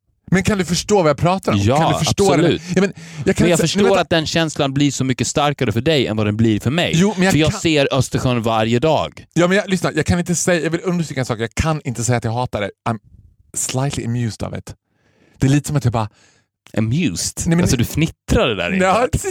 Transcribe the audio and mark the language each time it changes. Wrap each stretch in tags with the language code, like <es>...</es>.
<sv>Men kan du förstå vad jag pratar om? Ja, kan du förstå absolut. Ja, men jag, kan men jag inte, förstår att den känslan blir så mycket starkare för dig än vad den blir för mig. Jo, men jag ser Östersjön varje dag. Ja, men lyssna. Jag kan inte säga... Jag vill understryka en sak. Jag kan inte säga att jag hatar det.</sv> <en>I'm slightly amused of it.</en> <sv>Det är lite som att jag bara...</sv> <en>Amused?</en> <sv>Nej, men, alltså du fnittrade där inne.</sv>